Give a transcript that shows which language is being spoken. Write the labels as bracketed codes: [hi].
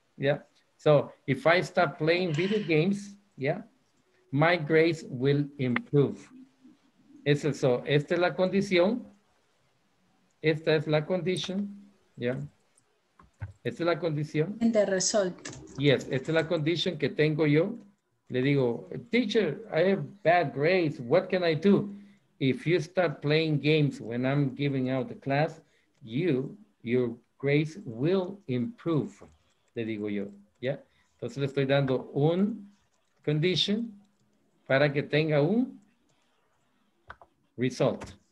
[en] ¿Ya? So, if I stop playing video games, yeah, my grades will improve. [es] Es eso. Esta es la condición. Esta es la condición. ¿Ya? Esta es la condición. [en] And the result. [es] Yes, esta es la condición que tengo yo. Le digo, [en] teacher, I have bad grades. What can I do? If you start playing games when I'm giving out the class, your grades will improve. [es] Le digo yo, ¿ya? Yeah? Entonces le estoy dando un condition para que tenga un result.